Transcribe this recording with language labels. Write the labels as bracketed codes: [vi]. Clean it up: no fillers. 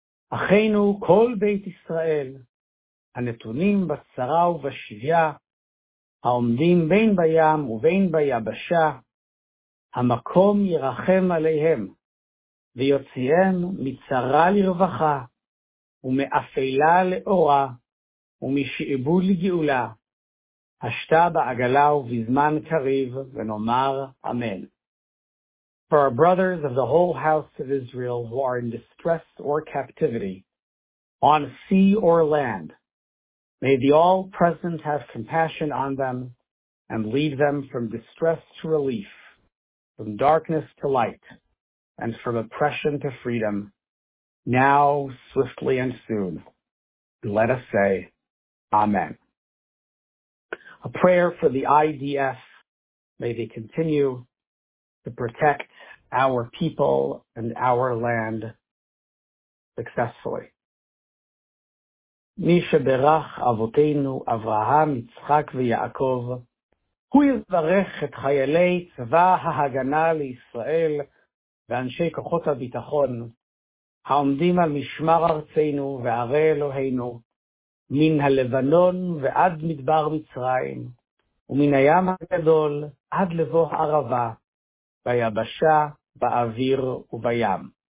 [he] אחינו כל בית ישראל, הנתונים בצרה ובשביה, העומדים בין בים ובין ביבשה, המקום ירחם עליהם, ויוציאם מצרה לרווחה, ומאפלה לאורה, ומשעבוד לגאולה, השתה בעגלה ובזמן קריב, ונאמר אמן. [en] For our brothers of the whole house of Israel who are in distress or captivity, on sea or land, may the All-Present have compassion on them and lead them from distress to relief, from darkness to light, and from oppression to freedom, now, swiftly, and soon. Let us say, Amen. A prayer for the IDF. May they continue to protect our people and our land successfully. [he] מי שברך אבותינו אברהם, יצחק ויעקב, הוא יברך את חיילי צבא ההגנה לישראל ואנשי כוחות הביטחון, העומדים על משמר ארצנו וערי אלוהינו, מן הלבנון ועד מדבר מצרים, ומן הים הגדול עד לבוא הערבה, ביבשה, באוויר ובים.